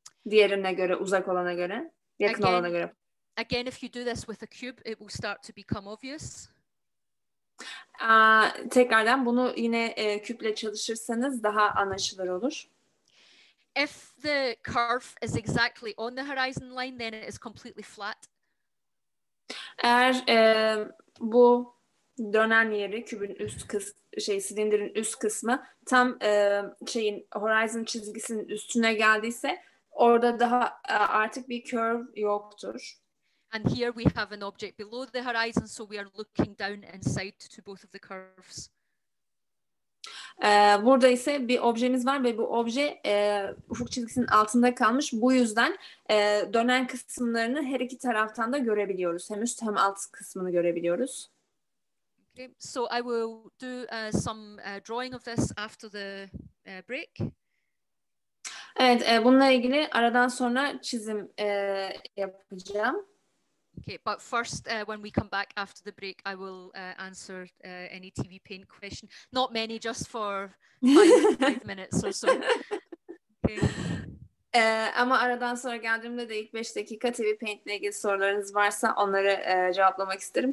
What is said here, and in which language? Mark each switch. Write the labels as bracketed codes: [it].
[tr] Diğerine göre, uzak olana göre, yakın olana göre. [en] Again, if you do this with a cube, it will start to become obvious. [tr] Tekrardan bunu yine küple çalışırsanız daha anlaşılır olur. [en] If the curve is exactly on the horizon line, then it is completely flat. [tr] Eğer bu dönen yeri, kübün üst kısmı, silindirin üst kısmı tam horizon çizgisinin üstüne geldiyse, orada daha artık bir curve yoktur. [en] And here we have an object below the horizon, so we are looking down inside to both of the curves. [tr] Burada ise bir objemiz var ve bu obje ufuk çizgisinin altında kalmış. Bu yüzden dönen kısımlarını her iki taraftan da görebiliyoruz. Hem üst hem alt kısmını görebiliyoruz. [en] Okay, so I will do some drawing of this after the break. [tr] Evet, bununla ilgili aradan sonra çizim yapacağım. [en] Okay, but first, when we come back after the break, I will answer any TV paint question. Not many, just for five minutes or so. Okay. [tr] Ama aradan sonra geldiğimde de ilk 5 dakika TV paint ile ilgili sorularınız varsa onları cevaplamak isterim.